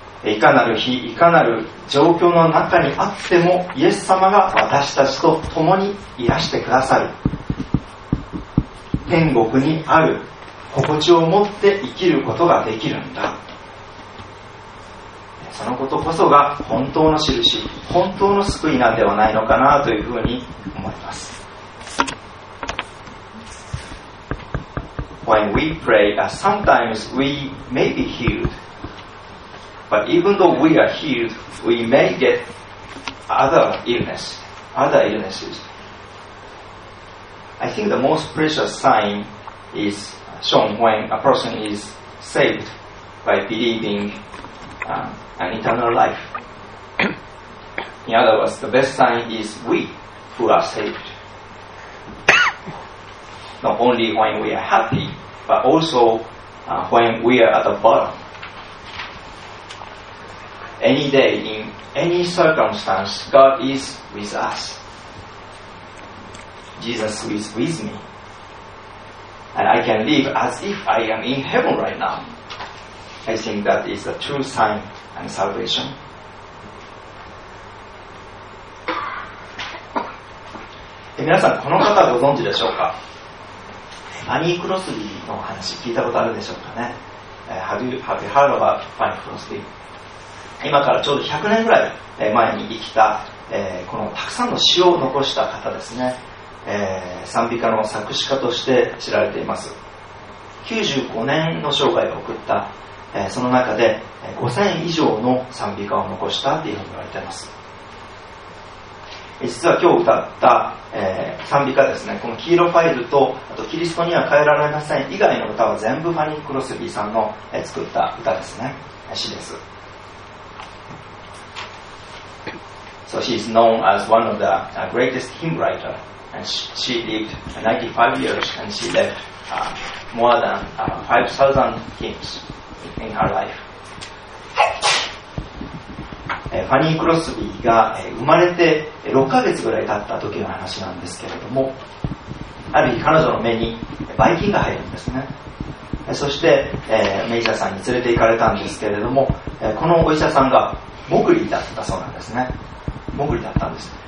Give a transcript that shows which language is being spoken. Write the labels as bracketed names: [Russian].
[Japanese] いかなる日、いかなる状況の中にあっても、イエス様が私たちと共にいらしてくださる、天国にある心地を持って生きることができるんだ、そのことこそが本当の印、本当の救いなんではないのかなというふうに思います。 [English] When we pray, sometimes we may be healed. But even though we are healed, we may get other illnesses. I think the most precious sign is shown when a person is saved by believing an eternal life. In other words, the best sign is we who are saved. Not only when we are happy,But also when we are at the bottom. Any day, in any circumstance, God is with us. Jesus is with me. And I can live as if I am in heaven right now. I think that is a true sign and salvation. [Japanese] え、皆さん、この方ご存知でしょうか？ファニー・クロスビーの話聞いたことあるでしょうかね。 [English] Have you heard about Fanny Crosby? [Japanese] 今からちょうど100年ぐらい前に生きた、このたくさんの詩を残した方ですね、賛美歌の作詞家として知られています。 95年の生涯を送った、その中で5000以上の賛美歌を残したというふうに言われています。実は今日歌った、賛美歌ですね、この黄色ファイルと、あとキリストには変えられません以外の歌は全部ファニー・クロスビーさんの、作った歌ですね、詩です。 [English] So she is known as one of the greatest hymn writer, and she lived 95 years and she left more than 5,000 hymns in her life. [Japanese] ファニー・クロスビーが生まれて6ヶ月ぐらい経った時の話なんですけれども、ある日彼女の目にバイキンが入るんですね。そして、名医者さんに連れて行かれたんですけれども、このお医者さんがモグリだったそうなんですね。モグリだったんです。